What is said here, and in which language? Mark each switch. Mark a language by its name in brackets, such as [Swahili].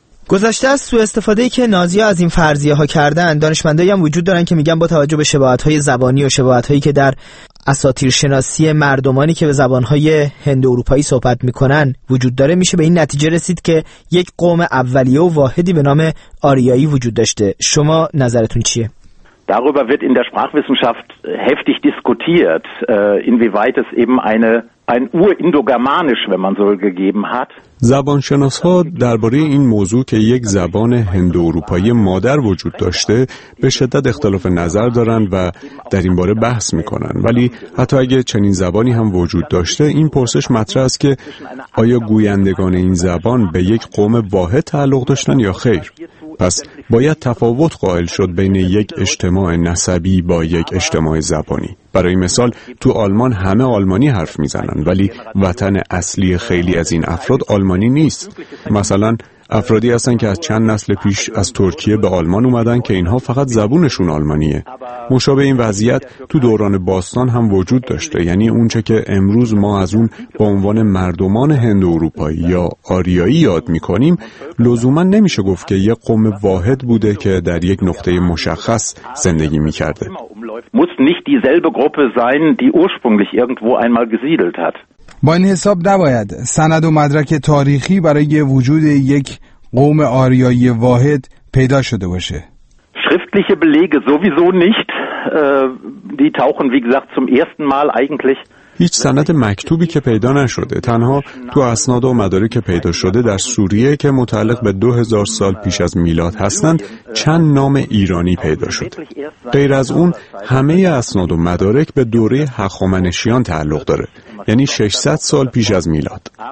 [Persian] گذشته از سوء استفاده‌ای که نازی ها از این فرضیه ها کردن، دانشمندایی هم وجود دارن که میگن با توجه به شباهت های زبانی و شباهت هایی که در اساطیر شناسی مردمانی که به زبان های هند اروپایی صحبت میکنن وجود داره، میشه به این نتیجه رسید که یک قوم اولیه و واحدی به نام آریایی وجود داشته. شما نظرتون چیه؟ [German] Darüber wird in der Sprachwissenschaft heftig diskutiert, inwieweit es eben ein Urindogermanisch, wenn man so will, gegeben hat. [Persian] زبانشناس‌ها درباره این موضوع که یک زبان هندواروپایی مادر وجود داشته به شدت اختلاف نظر دارند و در این باره بحث می‌کنند. ولی حتی اگر چنین زبانی هم وجود داشته، این پرسش مطرح است که آیا گویندگان این زبان به یک قوم واحد تعلق داشتن یا خیر؟ پس باید تفاوت قائل شد بین یک اجتماع نسبی با یک اجتماع زبانی. برای مثال تو آلمان همه آلمانی حرف میزنن، ولی وطن اصلی خیلی از این افراد آلمانی نیست. مثلا افرادی هستن که از چند نسل پیش از ترکیه به آلمان اومدن که اینها فقط زبونشون آلمانیه. مشابه این وضعیت تو دوران باستان هم وجود داشته، یعنی اونچه که امروز ما از اون با عنوان مردمان هند اروپایی یا آریایی یاد میکنیم، لزوما نمیشه گفت که یک قوم واحد بوده که در یک نقطه مشخص زندگی میکرده. [German] muss nicht dieselbe Gruppe sein, die ursprünglich irgendwo einmal gesiedelt hat. [Persian] با این حساب نباید سند و مدرک تاریخی برای وجود یک قوم آریایی واحد پیدا شده باشه. [German] schriftliche Belege sowieso nicht, die tauchen wie gesagt zum ersten Mal eigentlich. [Persian] هیچ سند مکتوبی که پیدا نشده، تنها تو اسناد و مدارک که پیدا شده در سوریه که متعلق به 2000 سال پیش از میلاد هستند چند نام ایرانی پیدا شده. غیر از اون همه اسناد و مدارک به دوره هخامنشیان تعلق داره، یعنی 600 سال پیش از میلاد.